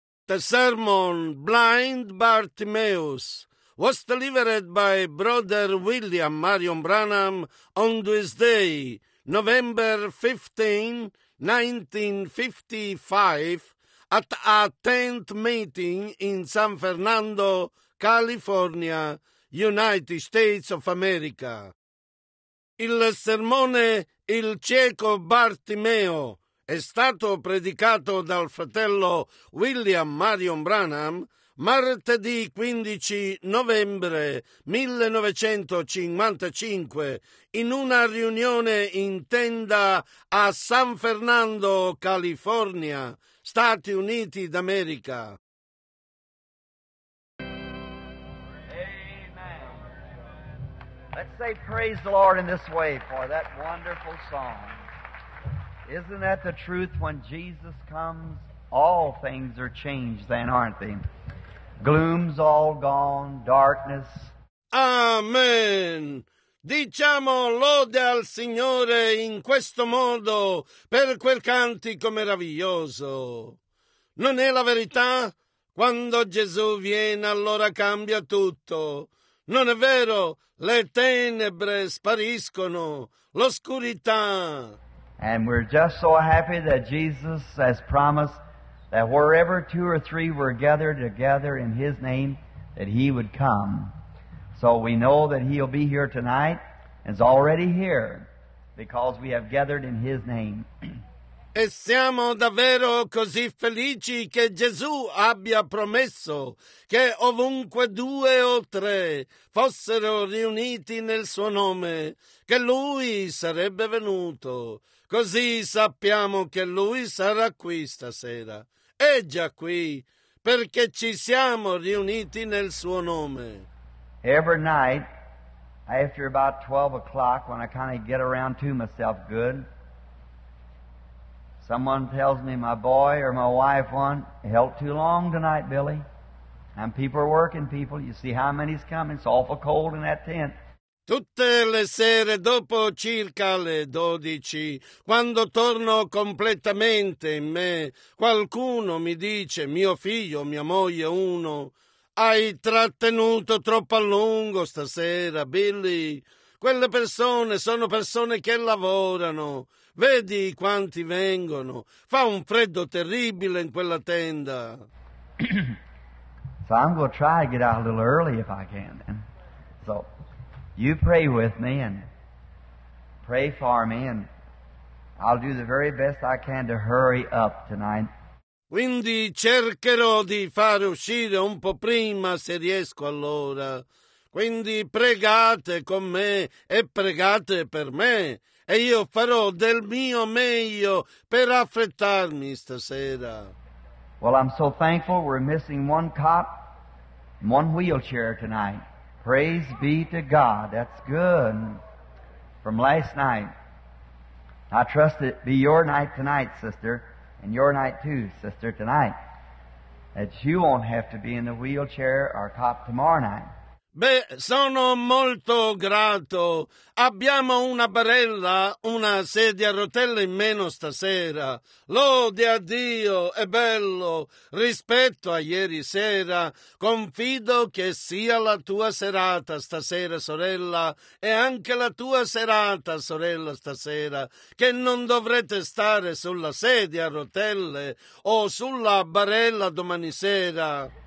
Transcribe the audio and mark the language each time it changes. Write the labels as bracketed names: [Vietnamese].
[English] The sermon Blind Bartimaeus was delivered by Brother William Marion Branham on Tuesday, November 15, 1955, at a tent meeting in San Fernando, California, United States of America. [Italian] Il sermone Il cieco Bartimeo è stato predicato dal fratello William Marion Branham martedì 15 novembre 1955 in una riunione in tenda a San Fernando, California, Stati Uniti d'America. [English] Let's say praise the Lord in this way for that wonderful song. Isn't that the truth? When Jesus comes, all things are changed then, aren't they? Gloom's all gone, darkness. Amen. [Italian] Diciamo lode al Signore in questo modo per quel cantico meraviglioso. Non è la verità? Quando Gesù viene, allora cambia tutto. Non è vero, le tenebre spariscono, l'oscurità. [English] And we're just so happy that Jesus has promised that wherever two or three were gathered together in His name, that He would come. So we know that He'll be here tonight, and is already here, because we have gathered in His name. [Italian] E siamo davvero così felici che Gesù abbia promesso che ovunque due o tre fossero riuniti nel suo nome, che Lui sarebbe venuto. Così sappiamo che Lui sarà qui stasera. È già qui, perché ci siamo riuniti nel suo nome. [English] Every night, after about 12 o'clock, when I kind of get around to myself good, someone tells me, my boy or my wife, one, held too long tonight, Billy. And people are working, people. You see how many's coming. It's awful cold in that tent. [Italian] Tutte le sere dopo circa le 12, quando torno completamente in me, qualcuno mi dice, mio figlio, mia moglie, uno, hai trattenuto troppo a lungo stasera, Billy. Quelle persone sono persone che lavorano. Vedi quanti vengono. Fa un freddo terribile in quella tenda. [English] So I'm going to try to get out a little early if I can. Then. So you pray with me and pray for me and I'll do the very best I can to hurry up tonight. [Italian] Quindi cercherò di fare uscire un po' prima se riesco allora. Quindi pregate con me e pregate per me. E io farò del mio meglio per affrettarmi stasera. [English] Well, I'm so thankful we're missing one cop and one wheelchair tonight. Praise be to God. That's good. From last night. I trust it be your night tonight, sister, and your night too, sister, tonight. That you won't have to be in the wheelchair or cop tomorrow night. [Italian] Beh, sono molto grato. Abbiamo una barella, una sedia a rotelle in meno stasera. Lode a Dio, è bello. Rispetto a ieri sera, confido che sia la tua serata stasera, sorella, e anche la tua serata, sorella, stasera, che non dovrete stare sulla sedia a rotelle o sulla barella domani sera.